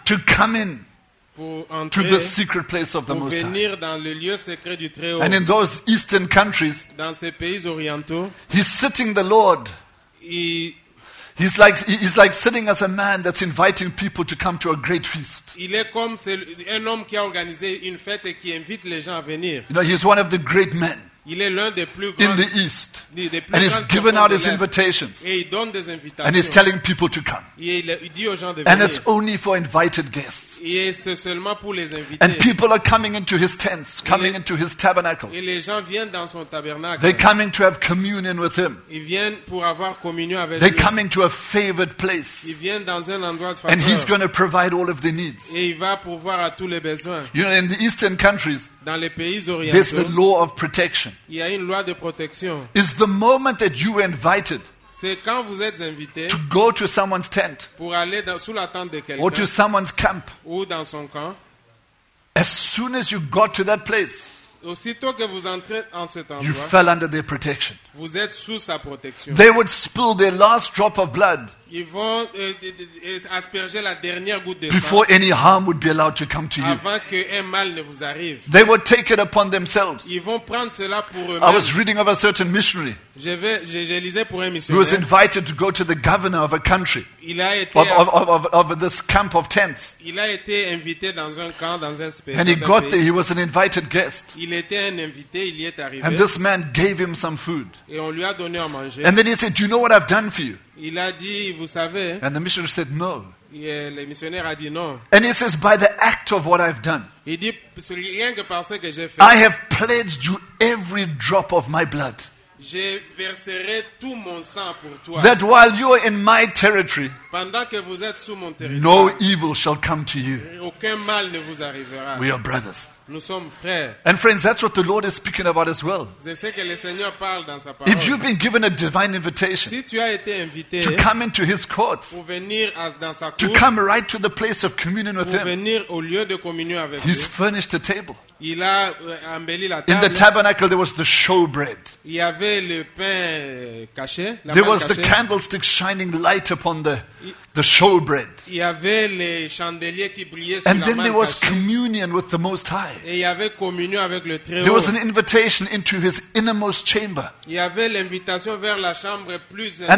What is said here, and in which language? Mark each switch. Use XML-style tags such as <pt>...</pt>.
<en>to come in</en> <fr>pour entrer,</fr> <en>to the secret place of the</en> <fr>pour</fr> <en>Most</en> <fr>venir</fr> <en>High.</en> <fr>Dans le lieu secret du Très-Haut.</fr> <en>And in those eastern countries,</en> <fr>dans ces pays orientaux,</fr> <en>he's sitting the Lord. He's like sitting as a man that's inviting people to come to a great feast.</en> <fr>Il est comme un homme qui a organisé une fête et qui invite les gens à venir.</fr> <en>You know, he's one of the great men.</en> <fr>Il est l'un des plus grands</fr> <en>in the east.</en> <fr>Des plus</fr> <en>and he's given out his invitations.</en> <fr>Et il donne des invitations.</fr> <en>And he's telling people to come.</en> <fr>Il dit aux gens de</fr> <en>and</en> <fr>venir.</fr> <en>It's only for invited guests.</en> <fr>Et c'est seulement pour les invités.</fr> <en>And people are coming into his tents, coming into his tabernacle.</en> <fr>Et les gens viennent dans son tabernacle.</fr> <en>They're coming to have communion with him.</en> <fr>Ils viennent pour avoir communion avec</fr> <en>they're</en> <fr>lui.</fr> <en>Coming to a favored place.</en> <fr>Ils viennent dans un endroit de faveur.</fr> <en>And he's going to provide all of their needs.</en> <fr>Et il va pourvoir à tous les besoins.</fr> <en>You know, in the eastern countries,</en> <fr>dans les pays orientaux,</fr> <en>there's the law of protection.</en> <fr>Il y a une loi de protection.</fr> <en>It's the moment that you were invited</en> <fr>c'est quand vous êtes invité</fr> <en>to go to someone's tent</en> <fr>pour aller sous la tente de quelqu'un</fr> <en>or to someone's camp</en> <fr>ou dans son camp.</fr> <en>As soon as you got to that place,</en> <fr>aussitôt que vous entrez en cet endroit,</fr> <en>you fell under their protection.</en> <fr>Vous êtes sous sa protection.</fr> <en>They would spill their last drop of blood.</en> <fr>Ils vont asperger la dernière goutte de sang.</fr> <en>Before any harm would be allowed to come to you.</en> <fr>Avant qu'un mal ne vous arrive.</fr> <en>They would take it upon themselves.</en> <fr>Ils vont prendre cela pour eux-mêmes.</fr> <en>I was reading of a certain missionary.</en> <fr>Je lisais pour un missionnaire.</fr> <en>Who was invited to go to the governor of a country.</en> <fr>Il a été</fr> <en>of this camp of tents.</en> <fr>Il a été invité dans un camp dans un spécial.</fr> <en>And he got there. He was an invited guest.</en> <fr>Il était un invité. Il y est arrivé.</fr> <en>And this man gave him some food.</en> <fr>Et on lui a donné à manger.</fr> <en>And then he said, "Do you know what I've done for you?"</en> <fr>Il a dit, vous savez,</fr> <en>and the missionary said, "No."</en> <fr>Et le missionnaire a dit non.</fr> <en>And he says, "By the act of what I've done,</en> <fr>il dit, rien que par ce que j'ai fait,</fr> <en>I have pledged you every drop of my blood."</en> <fr>Je verserai tout mon sang pour toi.</fr> <en>That while you are in my territory,</en> <fr>pendant que vous êtes sous mon territoire,</fr> <en>no evil shall come to you.</en> <fr>Aucun mal ne vous arrivera.</fr> <en>We are brothers.</en> <fr>Nous sommes frères.</fr> <en>And friends, that's what the Lord is speaking about as well.</en> <fr>Je sais que le Seigneur parle dans sa parole.</fr> <en>If you've been given a divine invitation,</en> <fr>si tu as été invité,</fr> <en>to come into His courts,</en> <fr>pour venir dans sa cour,</fr> <en>to come right to the place of communion with</en> <fr>pour</fr> <en>Him,</en> <fr>venir au lieu de communion avec</fr> <en>He's</en> <fr>lui.</fr> <en>Furnished a table.</en> <fr>Il a embelli la table.</fr> <en>In the tabernacle, there was the showbread.</en> <fr>Il y avait le pain caché. La</fr> <en>there was</en> <fr>caché.</fr> <en>The candlestick shining light upon the showbread.</en> <fr>Il y avait les chandeliers qui brillaient</fr> <en>and</en> <fr>sur</fr> <en>then</en> <fr>la</fr> <en>there was</en> <fr>cachée.</fr> <en>Communion with the Most High.</en> <fr>Et il y avait communion avec le Très-Haut.</fr> <en>There was an invitation into His innermost chamber.</en> <fr>Il y avait l'invitation vers la chambre plus interne.</fr>